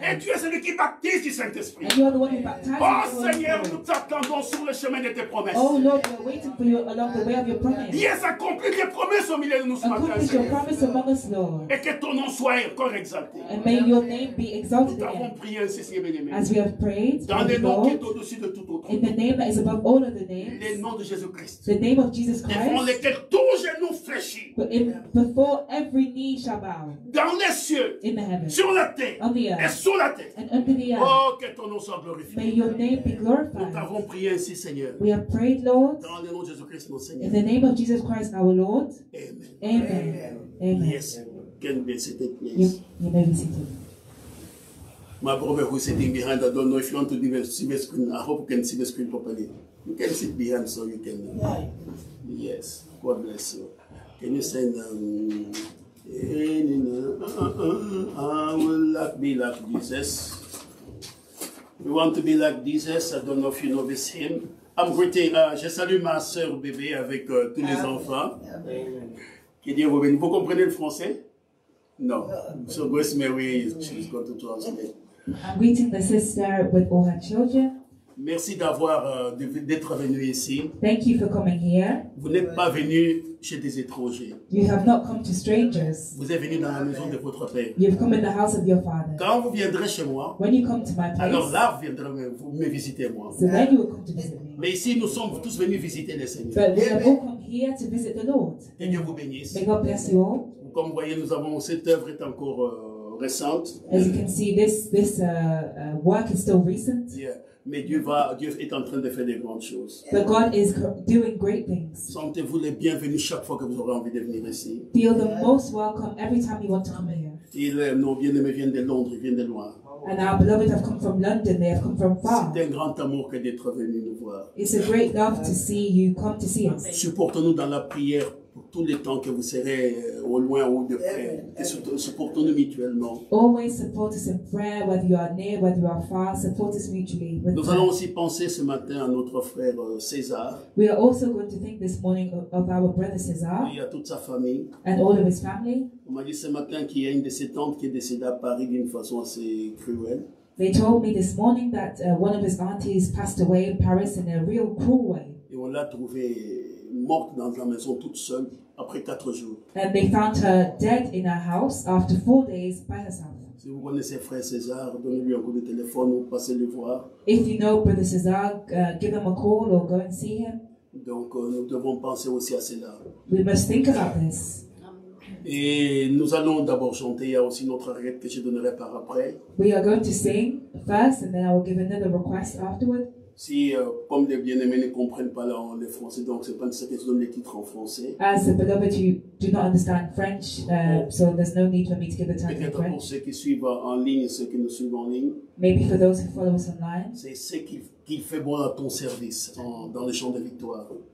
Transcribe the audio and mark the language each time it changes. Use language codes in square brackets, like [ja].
[fr] Et tu es celui qui baptise du Saint-Esprit. [en] And you are the one who baptizes. [fr] Oh Seigneur, nous t'attendons sur le chemin de tes promesses. [en] Oh Lord, we are waiting for you along the way of your promise. [fr] Yes, accomplis tes promesses au milieu de nous ce matin. [en] Accomplis your promise among us, Lord. [fr] Et que ton nom soit encore exalté. [en] And may your name be exalted. [fr] Nous t'avons prié ainsi, Seigneur bien-aimé. [en] As we have prayed. [fr] Dans le nom qui est au-dessus de tout autre. [en] In the name that is above all of the names. [fr] Le nom de Jésus Christ. [en] The name of Jesus Christ. [fr] Devant lequel tout genou fléchit. [en] But in, before every knee shall bow. [fr] Dans les cieux. [en] In the heavens. [fr] Sur la terre. [en] On the earth. [fr] Et sous la terre. [en] And under the earth. [fr] Oh, que ton nom soit glorifié. [en] May your name be glorified. [fr] Nous t'avons prié ainsi, Seigneur. [en] We have prayed, Lord. [fr] Dans le nom de Jésus Christ, mon Seigneur. [en] In the name of Jesus Christ, our Lord. Amen. Amen. Amen. Amen. Yes. Can be seated, please. You may be seated. My brother who's sitting behind, I don't know if you want to see the screen. I hope you can see the screen properly. You can sit behind so you can. Yeah. Yes. God bless you. Can you send I will be like Jesus. You want to be like Jesus? I don't know if you notice him. [fr] Je salue ma soeur bébé avec tous les enfants. Amen. Que Dieu vous bénisse. Vous comprenez le français? [en] Non. So Grace Mary is going to translate. I'm greeting the sister with all her children. [fr] Merci d'avoir d'être venu ici. [en] Thank you for coming here. [fr] Vous n'êtes pas venu chez des étrangers. [en] You have not come to strangers. [fr] Vous êtes venu dans la maison de votre père. [en] You've come in the house of your father. [fr] Quand vous viendrez chez moi, [en] when you come to my place, [fr] alors là vous viendrez me visiter moi. [en] So then you will come to visit me. [fr] Mais ici nous sommes tous venus visiter le Seigneur. [en] But we have all come here to visit the Lord. [fr] Que Dieu vous bénisse. [en] May God bless you all. [fr] Comme vous voyez, nous avons cette œuvre est encore récente. [en] As you can see, this work is still recent. Yeah. [fr] Mais Dieu est en train de faire des grandes choses. [en] But God is doing great things. [fr] Sentez-vous les bienvenus chaque fois que vous aurez envie de venir ici. [en] Feel the most welcome every time you want to come here. [fr] Et nos bien-aimés viennent de Londres, ils viennent de loin. [en] And our beloved have come from London, they have come from far. [fr] C'est un grand amour que d'être venu nous voir. [en] It's a great love to see you come to see us. [fr] Supportons-nous dans la prière pour tout le temps que vous serez au loin ou de près. Et supportons-nous mutuellement. [en] Always support us in prayer, whether you are near, whether you are far. Support us mutually. [fr] Nous allons aussi penser ce matin à notre frère César. [en] We are also going to think this morning of our brother César. [fr] Et à toute sa famille. [en] And all of his family. [fr] On m'a dit ce matin qu'il y a une de ses tantes qui est décédée à Paris d'une façon assez cruelle. [en] They told me this morning that one of his aunties passed away in Paris in a real cruel way. [fr] Et on l'a trouvé morte dans la maison toute seule après 4 jours. [en] And they found her dead in her house after 4 days by herself. [fr] Si vous connaissez frère César, donnez-lui un coup de téléphone ou passez le voir. [en] If you know brother César, give him a call or go and see him. [fr] Donc nous devons penser aussi à cela. [en] We must think about this. [fr] Et nous allons d'abord chanter. Il y a aussi notre requête que je donnerai par après. [en] We are going to sing first and then I will give another request afterward. [fr] Si, comme les bien-aimés ne comprennent pas le français, donc c'est pas nécessaire que je donne les titres en français. [en] As the beloved, you do not understand French, so there's no need for me to give the title in French. [fr] Peut-être pour ceux qui suivent en ligne, ceux qui nous suivent en ligne. [en] Maybe for those who follow us online. [fr] C'est ce qui fait bon à ton service dans le champ de victoire.